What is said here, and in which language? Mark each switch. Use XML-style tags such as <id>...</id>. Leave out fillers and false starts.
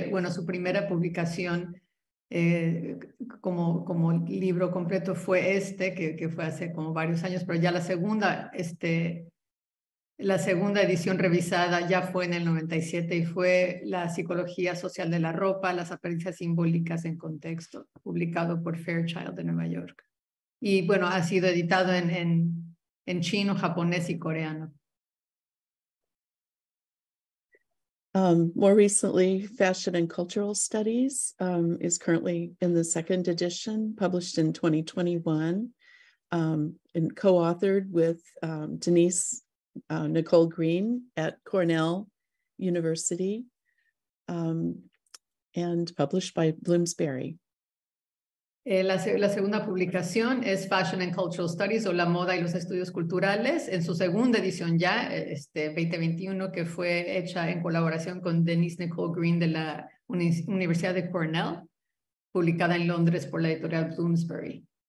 <es>Su primera publicación como libro completo fue este, que fue hace como varios años, pero ya la segunda, la segunda edición revisada ya fue en el 97 y fue La psicología social de la ropa, las apariencias simbólicas en contexto, publicado por Fairchild de Nueva York. Y bueno, ha sido editado en chino, japonés y coreano.</es> <en>More recently, Fashion and Cultural Studies is currently in the second edition, published in 2021, and co-authored with Denise Nicole Green at Cornell University, and published by Bloomsbury.</en> <es>La segunda publicación es Fashion and Cultural Studies, o La Moda y los Estudios Culturales, en su segunda edición ya, 2021, que fue hecha en colaboración con Denise Nicole Green de la Universidad de Cornell, publicada en Londres por la editorial Bloomsbury.</es>